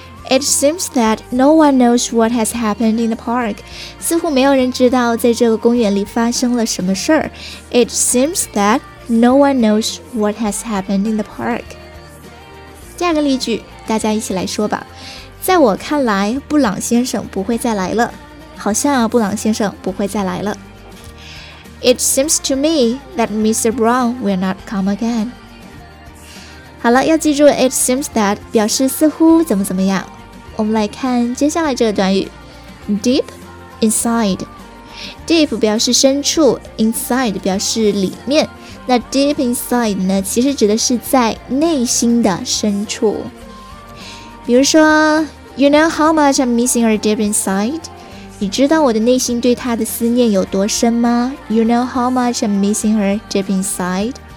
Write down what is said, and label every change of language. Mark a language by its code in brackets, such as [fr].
[en] It seems that no one knows what has happened in the park. [zh] 似乎没有人知道在这个公园里发生了什么事儿。 [en] It seems that no one knows what has happened in the park. [zh] 第二个例句，大家一起来说吧。在我看来，布朗先生不会再来了。好像啊，布朗先生不会再来了。 [en] It seems to me that Mr. Brown will not come again. [zh] 好了，要记住 it seems that 表示似乎怎么怎么样。我们来看接下来这个短语 deep inside。 deep 表示深处， inside 表示里面。那 deep inside 呢其实指的是在内心的深处。 [en] 比如说 You know how much I'm missing her deep inside? [zh] 你知道我的内心对她的思念有多深吗？ [en] You know how much I'm missing her deep inside?